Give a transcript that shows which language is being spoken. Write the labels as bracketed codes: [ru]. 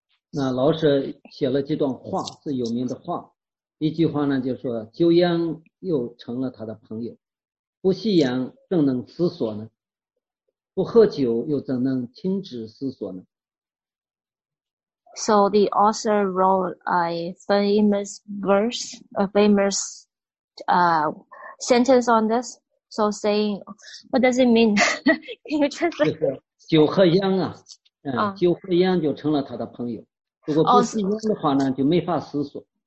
[zh] 那老舍写了这段话，是有名的话。一句话呢，就是说酒烟又成了他的朋友，不吸烟更能思索呢。不喝酒又怎能停止思索呢 [en] ？So the author wrote a famous verse, a famous sentence on this. So saying, what does it mean? Can you translate? [zh] 酒喝烟啊，酒喝烟就成了他的朋友。如果不吸烟的话呢，就没法思索。